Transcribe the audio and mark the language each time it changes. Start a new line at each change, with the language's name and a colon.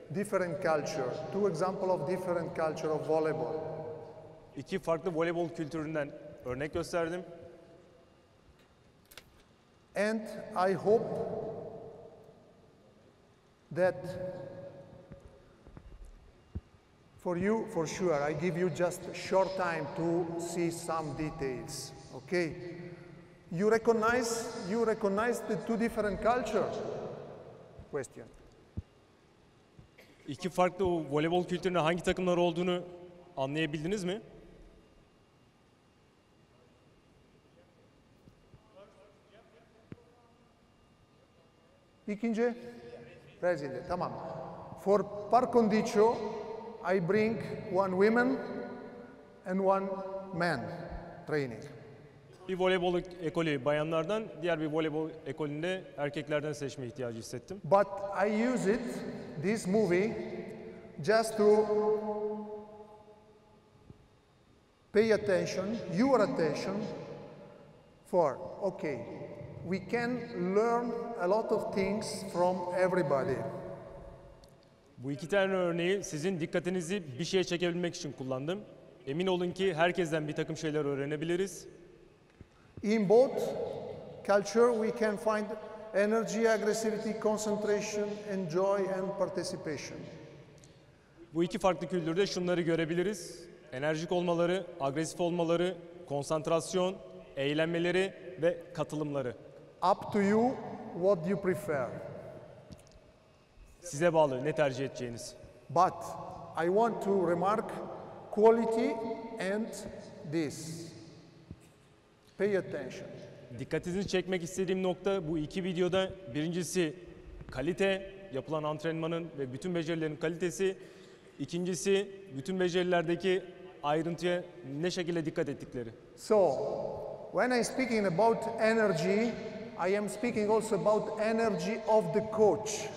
English: Different culture, two example of different culture of volleyball.
Turkish: İki farklı voleybol kültüründen örnek gösterdim.
English: And I hope that for you, for sure, I give you just short time to see some details. Okay. You recognize the two different cultures? Question.
Turkish: İki farklı voleybol kültürüne hangi takımlar olduğunu anlayabildiniz mi? İkinci.
English: Presidente.
Turkish: Tamam.
English: For par condicio, I bring one woman and one man training.
Turkish: Bir voleybol ekolü bayanlardan, diğer bir voleybol ekolünde erkeklerden seçme ihtiyacı hissettim.
English: But I use it, this movie, just to pay attention, your attention, for, okay, we can learn a lot of things from everybody.
Turkish: Bu iki tane örneği sizin dikkatinizi bir şeye çekebilmek için kullandım. Emin olun ki herkesten bir takım şeyler öğrenebiliriz.
English: In both culture we can find energy, aggressivity, concentration, enjoy and participation.
Turkish: Bu iki farklı kültürde şunları görebiliriz. Enerjik olmaları, agresif olmaları, konsantrasyon, eğlenmeleri ve katılımları.
English: Up to you what you prefer.
Turkish: Size bağlı ne tercih edeceğiniz.
English: But I want to remark quality and this. Pay attention.
Turkish: Dikkatinizi çekmek istediğim nokta bu iki videoda birincisi kalite, yapılan antrenmanın ve bütün becerilerin kalitesi. İkincisi bütün becerilerdeki ayrıntıya ne şekilde dikkat ettikleri.
English: So, when I'm speaking about energy, I am speaking also about energy of the coach.